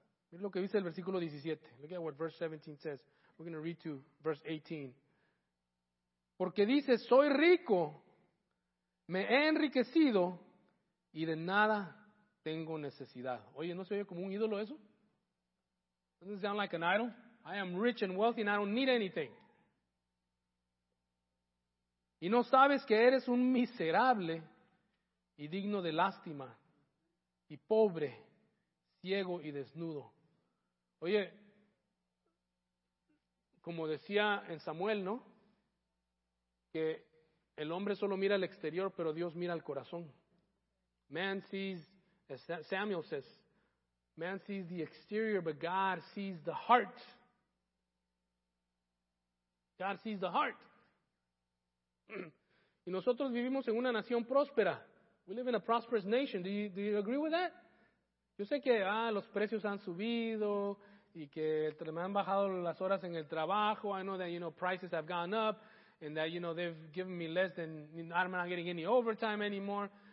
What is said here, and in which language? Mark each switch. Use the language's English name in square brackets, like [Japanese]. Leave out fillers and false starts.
[Spanish] Mira lo que dice el versículo 17. [English] Look at what verse 17 says. We're going to read to verse 18. [Spanish] Porque dice, soy rico, me he enriquecido y de nada tengo necesidad. Oye, ¿no se oye como un ídolo eso? [English] Doesn't sound like an idol. I am rich and wealthy and I don't need anything. [Spanish] Y no sabes que eres un miserable y digno de lástima, y pobre, ciego y desnudo. Oye, como decía en Samuel, ¿no? Que el hombre solo mira el exterior, pero Dios mira el corazón. [English] Man sees, as Samuel says, man sees the exterior, but God sees the heart. God sees the heart. [Spanish] Y nosotros vivimos en una nación próspera. [English] We live in a prosperous nation. Do you agree with that? [Spanish] Yo sé que los precios han subido y que me han bajado las horas en el trabajo. [English] I know that, you know, prices have gone up and that, you know, they've given me less than, I'm not getting any overtime anymore.